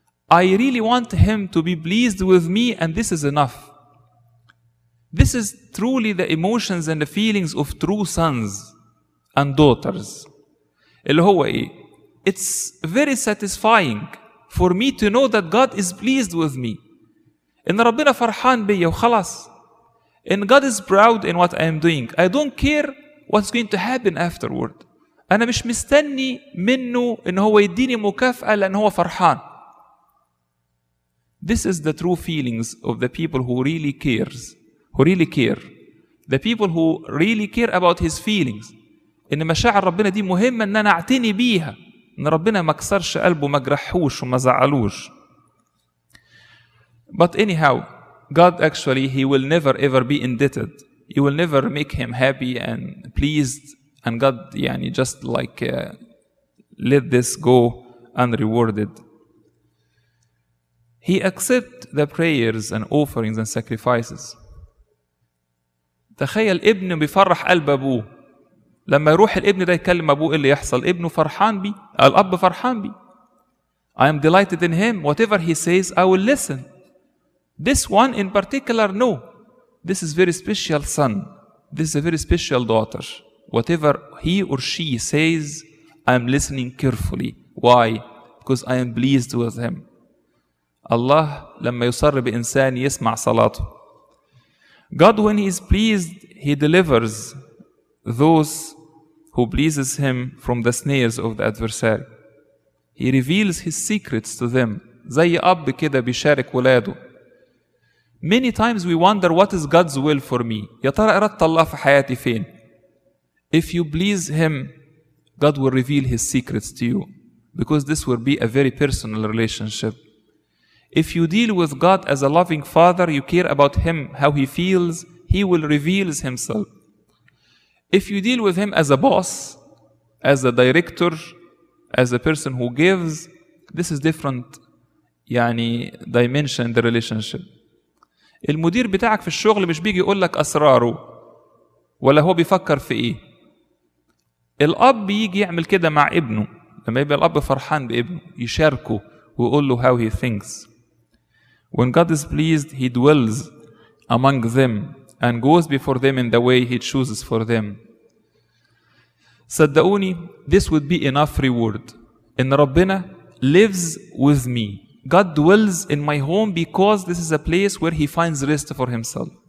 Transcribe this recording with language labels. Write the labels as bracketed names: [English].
[English] I really want Him to be pleased with me, and this is enough. This is truly the emotions and the feelings of true sons and daughters. [Arabic] اللي هو إيه؟ [English] It's very satisfying for me to know that God is pleased with me. [Arabic] إن ربنا فرحان بي وخلاص. [English] And God is proud in what I am doing. I don't care what's going to happen afterward. [Arabic] أنا مش مستني منه إن هو يديني مكافأة لأن هو فرحان. [English] This is the true feelings of the people who really cares, who really care. The people who really care about his feelings. [Arabic] إن مشاعر ربنا دي مهمة إن أنا أعتني بيها. إن ربنا ما كسرش قلبه, ما جرحوش وما زعلوش. [English] But anyhow, God actually, he will never ever be indebted. He will never make him happy and pleased. And God, يعني just like let this go unrewarded. He accept the prayers and offerings and sacrifices. [Arabic] تخيل ابن بيفرح قلب أبوه. لما يروح الابن ده يكلم أبوه اللي يحصل, ابنه فرحان بي, الأب فرحان بي. [English] I am delighted in him. Whatever he says, I will listen. This one in particular, no. This is very special son. This is a very special daughter. Whatever he or she says, I am listening carefully. Why? Because I am pleased with him. [Arabic] Allah, لما يصر بإنسان يسمع صلاته. [English] God, when he is pleased, he delivers those who pleases him from the snares of the adversary. He reveals his secrets to them. [Arabic] زي أب كده بيشارك ولاده. [English] Many times we wonder, what is God's will for me? [Arabic] يا ترى إرادة الله في حياتي فين؟ [English] If you please him, God will reveal his secrets to you, because this will be a very personal relationship. If you deal with God as a loving father, you care about him, how he feels, he will reveal himself. If you deal with him as a boss, as a director, as a person who gives, this is different, يعني dimension in the relationship. [Arabic] المدير بتاعك في الشغل مش بيجي يقول لك أسراره ولا هو بيفكر في إيه. الأب بيجي يعمل كده مع ابنه لما يبقى الأب فرحان بابنه, يشاركه ويقول له [English] how he thinks. When God is pleased, he dwells among them and goes before them in the way he chooses for them. [Arabic] صدقوني, [English] this would be enough reward. [Arabic] إن ربنا [English] lives with me. God dwells in my home because this is a place where he finds rest for himself.